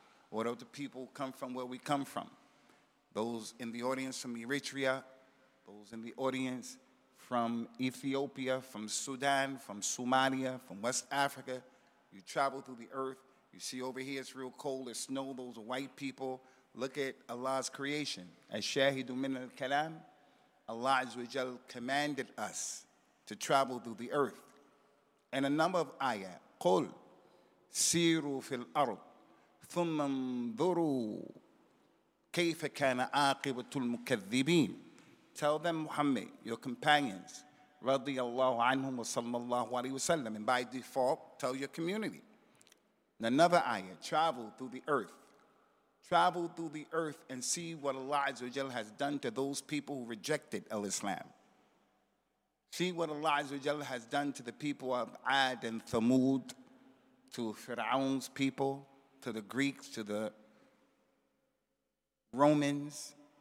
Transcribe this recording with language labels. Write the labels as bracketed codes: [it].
[en] What do the people come from where we come from? Those in the audience from Eritrea, those in the audience from Ethiopia, from Sudan, from Somalia, from West Africa. You travel through the earth, you see over here it's real cold, it's snow, those are white people. Look at Allah's creation. As Shahidu Min al Kalam, Allah commanded us to travel through the earth. And a number of ayah, [ar] قُلْ سِيرُوا فِي الْأَرْضِ ثُمَّ انْظُرُوا كَيْفَ كَانَ عَاقِبَةُ الْمُكَذِّبِينَ. [en] Tell them, Muhammad, your companions, [ar] رضي الله عنهم وصلى الله عليه وسلم. [en] And by default, tell your community. And another ayah, travel through the earth. Travel through the earth and see what Allah has done to those people who rejected al-Islam. See what Allah has done to the people of Ad and Thamud, to Fir'aun's people, to the Greeks, to the Romans.